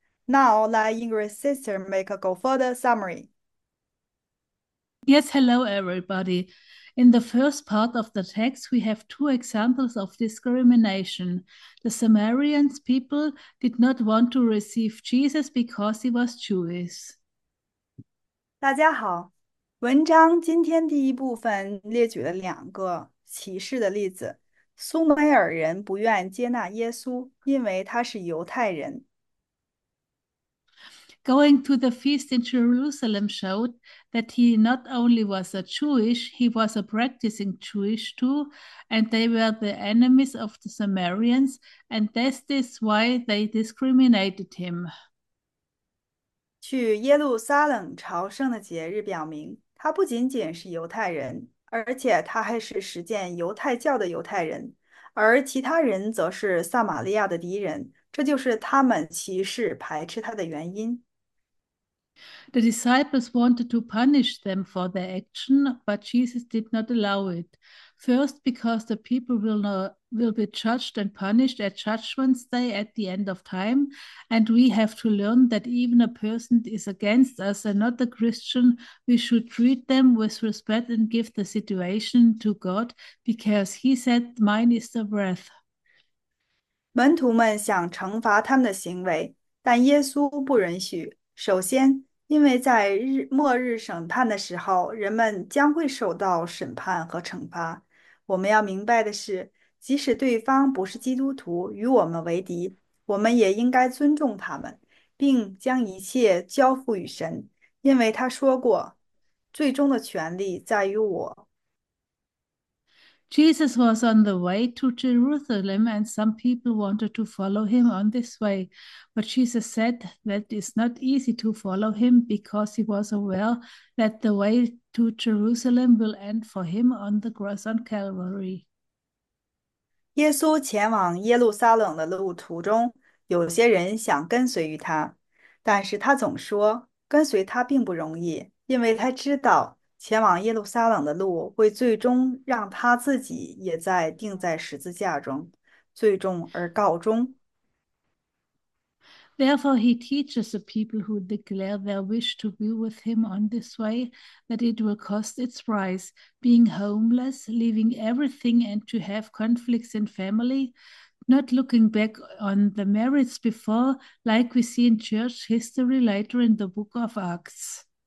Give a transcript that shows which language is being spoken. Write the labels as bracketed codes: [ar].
[en] Now, let Ingrid's sister make a go further summary. Yes, hello everybody. In the first part of the text, we have two examples of discrimination. The Samaritans people did not want to receive Jesus because he was Jewish. [zh] 大家好，文章今天第一部分列举了两个歧视的例子。苏美尔人不愿接纳耶稣，因为他是犹太人。 [en] Going to the feast in Jerusalem showed that he not only was a Jewish, he was a practicing Jewish too, and they were the enemies of the Samaritans, and that is why they discriminated him. [zh] 去耶路撒冷朝圣的节日表明，他不仅仅是犹太人，而且他还是实践犹太教的犹太人，而其他人则是撒玛利亚的敌人，这就是他们歧视排斥他的原因。 [en] The disciples wanted to punish them for their action, but Jesus did not allow it. First, because the people will be judged and punished at Judgment Day at the end of time, and we have to learn that even a person is against us and not a Christian, we should treat them with respect and give the situation to God, because he said, "Mine is the wrath." [zh] 门徒们想惩罚他们的行为，但耶稣不允许。首先，因为在末日审判的时候，人们将会受到审判和惩罚。我们要明白的是，即使对方不是基督徒，与我们为敌，我们也应该尊重他们，并将一切交付于神，因为他说过，最终的权力在于我。 [en] Jesus was on the way to Jerusalem, and some people wanted to follow him on this way. But Jesus said that it's not easy to follow him because he was aware that the way to Jerusalem will end for him on the cross on Calvary. [zh] 耶稣前往耶路撒冷的路途中，有些人想跟随于他，但是他总说跟随他并不容易，因为他知道前往耶路撒冷的路会最终让他自己也在钉在十字架中，最终而告终。 [en] Therefore, he teaches the people who declare their wish to be with him on this way that it will cost its price, being homeless, leaving everything, and to have conflicts in family, not looking back on the merits before, like we see in church history later in the book of Acts.